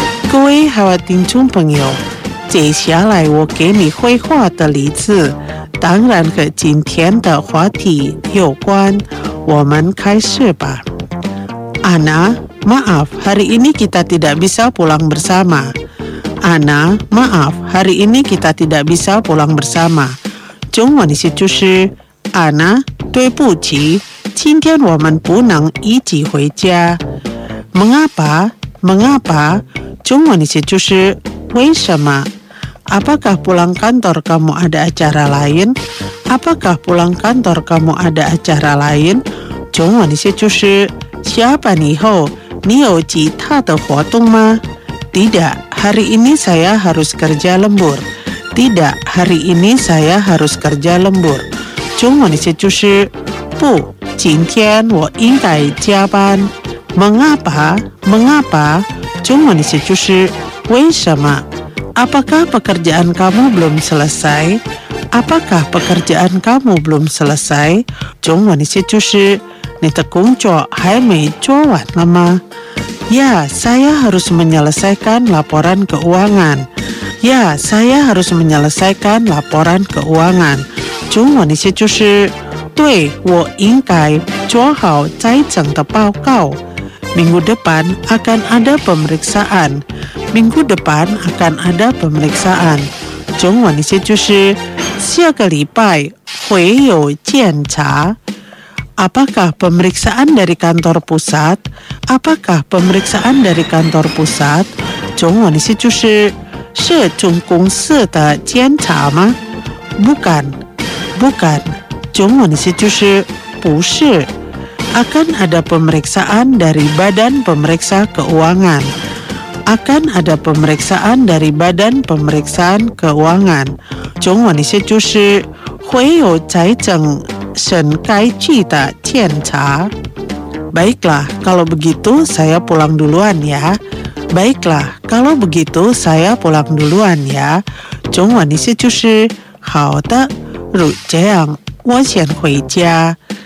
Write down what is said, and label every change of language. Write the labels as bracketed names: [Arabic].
[Chinese] 各位听众朋友，接下来我给你绘画的例子当然和今天的话题有关，我们开始吧。 [Indonesian] Ana, maaf, hari ini kita tidak bisa pulang bersama. Ana, maaf, hari ini kita tidak bisa pulang bersama. [Chinese] 中文的意思就是 Ana, 对不起，今天我们不能一起回家。 [Indonesian] Mengapa, mengapa， [Chinese] 中文的意思就是为什么。 [Indonesian] Apakah pulang kantor kamu ada acara lain? Apakah pulang kantor kamu ada acara lain? [Chinese] 中文的意思就是下班以后你有其他的活动吗？ [Indonesian] Tidak, hari ini saya harus kerja lembur. Tidak, hari ini saya harus kerja lembur. [Chinese] 中文的意思就是不，今天我应该加班。 [Indonesian] Mengapa, mengapa? [Chinese] 中文的意思就是为什么。 [Indonesian] Apakah pekerjaan kamu belum selesai? Apakah pekerjaan kamu belum selesai? [Chinese] 中文的意思就是你的工作还没做完了吗？ [Indonesian] Ya, saya harus menyelesaikan laporan keuangan. Ya, saya harus menyelesaikan laporan keuangan. [Chinese] 中文的意思就是对，我应该做好财政的报告。 [Indonesian] Minggu depan akan ada pemeriksaan. Minggu depan akan ada pemeriksaan. [Chinese] 中文的意思就是下个礼拜会有检查。 [Indonesian] Apakah pemeriksaan dari kantor pusat? Apakah pemeriksaan dari kantor pusat? [Chinese] 中文的意思就是是总公司的检查吗？ [Indonesian] Bukan, bukan. [Chinese] 中文的意思就是不是。 [Indonesian] Akan ada pemeriksaan dari badan pemeriksa keuangan. Akan ada pemeriksaan dari badan pemeriksaan keuangan. [Chinese] 中文的意思就是会有财政审计局的检查。 [Indonesian] Baiklah, kalau begitu saya pulang duluan ya. Baiklah, kalau begitu saya pulang duluan ya. [Chinese] 中文的意思就是好的，如这样，我先回家。